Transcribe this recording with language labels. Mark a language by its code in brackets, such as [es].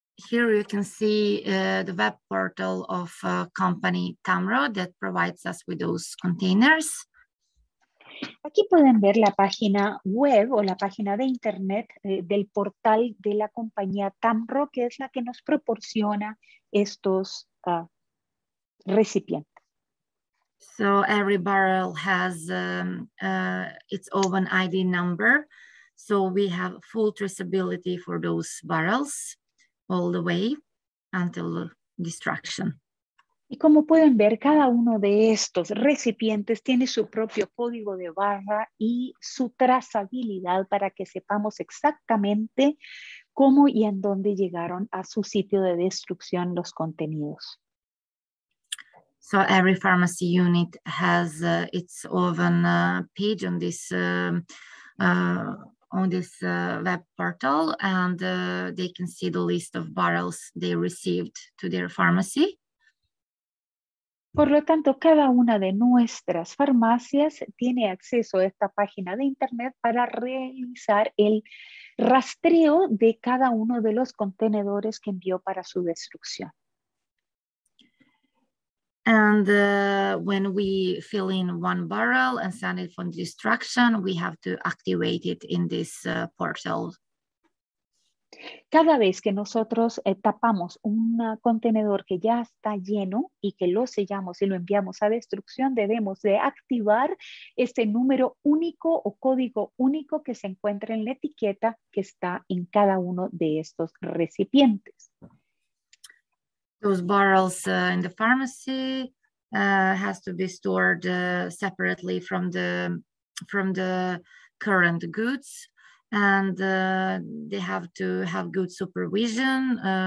[en] Here you can see the web portal of a company Tamro that provides us with those containers. [es] Aquí pueden ver la página web o la página de internet del portal de la compañía Tamro, que es la que nos proporciona estos recipientes. [en] So every barrel has its own ID number, so we have full traceability for those barrels all the way until destruction. [es] Y como pueden ver, cada uno de estos recipientes tiene su propio código de barra y su trazabilidad para que sepamos exactamente cómo y en dónde llegaron a su sitio de destrucción los contenidos. [en] So every pharmacy unit has its own page on this web portal, and they can see the list of barrels they received to their pharmacy. [es] Por lo tanto, cada una de nuestras farmacias tiene acceso a esta página de internet para realizar el rastreo de cada uno de los contenedores que envió para su destrucción. [en] And when we fill in one barrel and send it for destruction, we have to activate it in this portal. [es] Cada vez que nosotros tapamos un contenedor que ya está lleno y que lo sellamos y lo enviamos a destrucción, debemos de activar este número único o código único que se encuentra en la etiqueta que está en cada uno de estos recipientes. [en] Those barrels in the pharmacy has to be stored separately from the current goods, and they have to have good supervision.